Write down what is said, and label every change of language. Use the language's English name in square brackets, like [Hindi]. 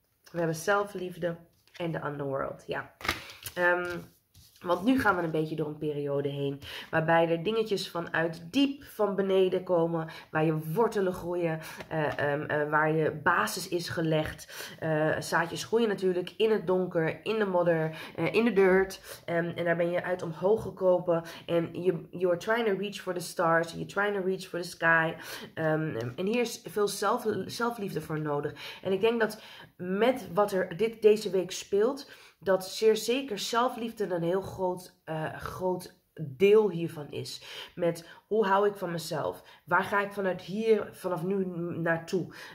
[Dutch] We hebben zelfliefde en de underworld. Ja. Want nu gaan we een beetje door een periode heen waarbij er dingetjes vanuit diep van beneden komen, waar je wortelen groeien, waar je basis is gelegd. Zaadjes groeien natuurlijk in het donker, in de modder, in de dirt. En daar ben je uit omhoog gekomen. [English] En you're trying to reach for the stars, you're trying to reach for the sky. [Dutch] En hier is veel zelfliefde voor nodig. En ik denk dat met wat er deze week speelt, dat zeer zeker zelfliefde een heel groot deel hiervan is. Met hoe hou ik van mezelf? Waar ga ik vanuit hier vanaf nu naartoe?